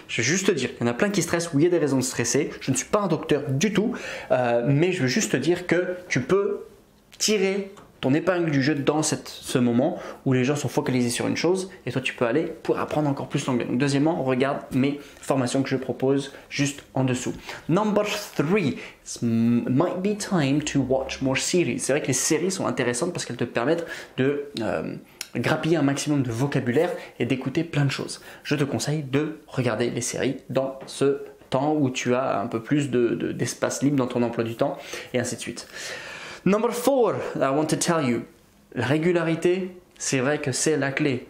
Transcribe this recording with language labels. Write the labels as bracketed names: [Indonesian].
[French] Je veux juste te dire, il y en a plein qui stressent, oui, il y a des raisons de stresser, je ne suis pas un docteur du tout, mais je veux juste te dire que tu peux tirer ton épingle du jeu dans ce moment où les gens sont focalisés sur une chose et toi tu peux aller pour apprendre encore plus l'anglais. Donc deuxièmement, regarde mes formations que je propose juste en dessous. [English] Number three, it might be time to watch more series. [French] C'est vrai que les séries sont intéressantes parce qu'elles te permettent de grappiller un maximum de vocabulaire et d'écouter plein de choses. Je te conseille de regarder les séries dans ce temps où tu as un peu plus d'espace libre dans ton emploi du temps et ainsi de suite. [English] Number four, I want to tell you, [French] la régularité, c'est vrai que c'est la clé.